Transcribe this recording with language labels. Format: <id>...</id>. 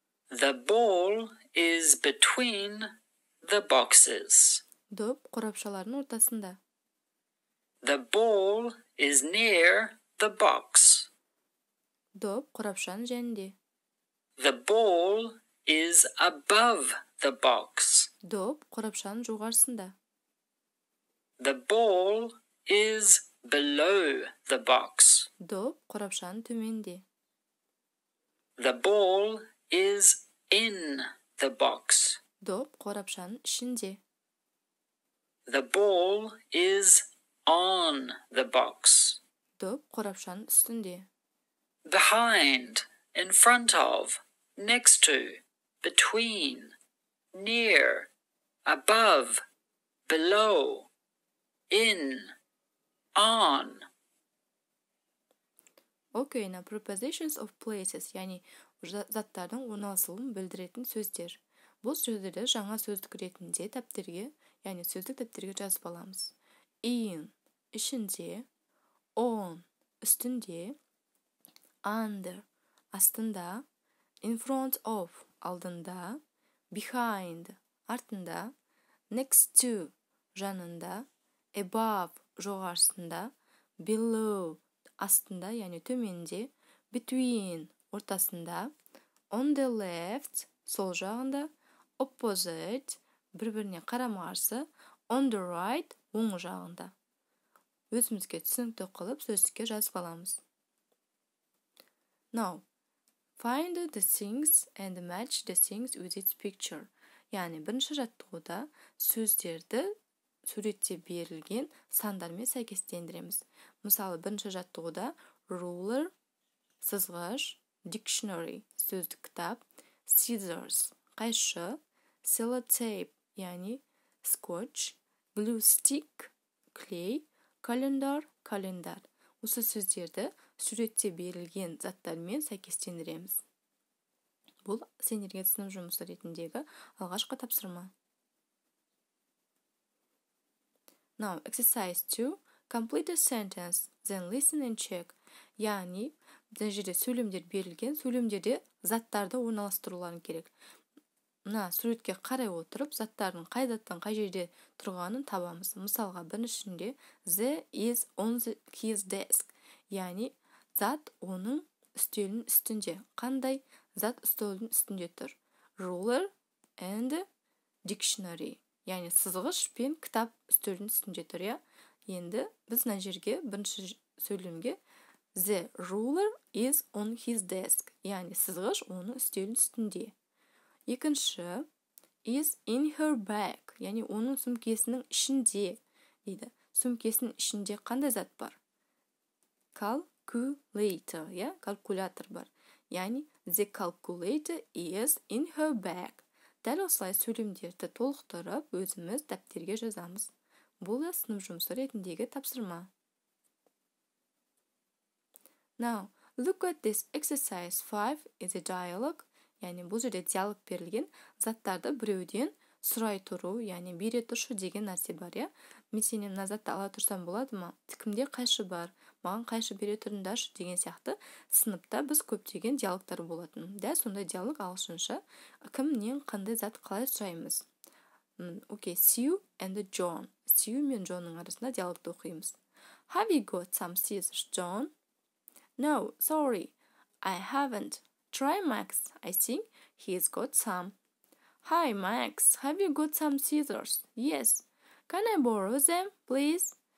<en>The ball is between the boxes.</en> <kk>Доп қорапшаларының ортасында.</kk> <en>The ball is near the box.</en> <kk>Доп қорапшаның жанында.</kk> <en>The ball is above the box.</en> <kk>Доп қорапшаның жоғарысында.</kk> <en>The ball is below the box.</en> <kk>Доп қорапшаның төменде.</kk> <en>The ball is in the box.</en> <kk>Доп қорапшаның ішінде.</kk> <en>The ball is on the box.</en> <kk>Доп қорапшаның үстінде.</kk> <en>Behind, in front of, next to, between, near, above, below, in, on. Okay, now prepositions of places,</en> <kk>яғни заттардың орналасуын білдіретін сөздер. Бұл сөздерді жаңа сөздік ретінде дәптерге, яғни сөздік дәптерге жазып аламыз. In, ішінде, on, үстінде. Under, астында,</kk> <en>in front of,</en> <kk>алдында, behind, артында,</kk> <en>next to,</en> <kk>жанында, above, жоғарысында, below, астында, яғни төменде, between, ортасында,</kk> <en>on the left,</en> <kk>сол жағында, opposite, бір-біріне қарама-қарсы,</kk> <en>on the right,</en> <kk>оң жағында. Өзімізге түсінікті қылып, сөздікке жазып аламыз.</kk> <en>Now, find the things and match the things with its picture.</en> <kk>Яғни, бірінші жаттығуда сөздерді суретте берілген сандармен сәйкестендіреміз. Мысалы, бірінші жаттығуда ruler, сызғыш, dictionary, сөздік кітап, scissors, қайшы, sellotape, яғни, scotch, glue stick, clay, calendar, календар. Осы сөздерді суретте берілген заттармен сәйкестендіреміз. Бұл сендерге сынып жұмысы ретіндегі алғашқы тапсырма.</kk> <en>Now, exercise 2. Complete a sentence, then listen and check.</en> <kk>Яғни, біздің жерде сөйлемдер берілген, сөйлемдерде заттарды орналастыруларын керек. Мына суретке қарай отырып, заттардың қай заттан қай жерде тұрғанын табамыз. Мысалға, біріншінде</kk> <en>the is on the his desk.</en> <kk>Яғни, зат оның үстелінің үстінде. Қандай зат үстелінің үстінде тұр?</kk> <en>Ruler and dictionary.</en> <kk>Яғни, сызғыш пен кітап үстелінің үстінде тұр. Я? Енді біз мына жерге бірінші сөйлемге</kk> <en>the ruler is on his desk.</en> <kk>Яғни, сызғыш оның үстелінің үстінде. Екінші,</kk> <en>is in her bag,</en> <kk>яғни оның сумкесінің ішінде, дейді. Сумкесінің ішінде қандай зат бар? Calculator.</kk> <en>calculator. Yeah, calculator bar. Yani the calculator is in her bag.</en> <kk>Дәл осылай сөйлемдерді толықтырып, өзіміз дәптерге жазамыз. Бұл да сынып жұмысы ретіндегі тапсырма.</kk> <en>Now, look at this exercise 5 is a dialogue.</en> <kk>Яғни бұл жерде диалог берілген заттарды біреуден сұрай тұру, яғни бере тұршы деген нәрсе бар. Я? Мен сенен мына затты ала тұрсам болады ма? Тікімде қайшы бар? Маған қайшы бере тұрындашы деген сияқты сыныпта біз көптеген диалогтар болатын. Дәл сондай диалог алғышынша кімнен қандай зат қалай сұраймыз.</kk> <en>Okay, Sue and John.</en> <kk>Sue мен Джонның арасында диалогты оқиымыз.</kk> <en>Have you got some scissors, John? No, sorry, I haven't. Try Max, I think he's got some. Hi Max, have you got some scissors? Yes. Can I borrow them, please?</en>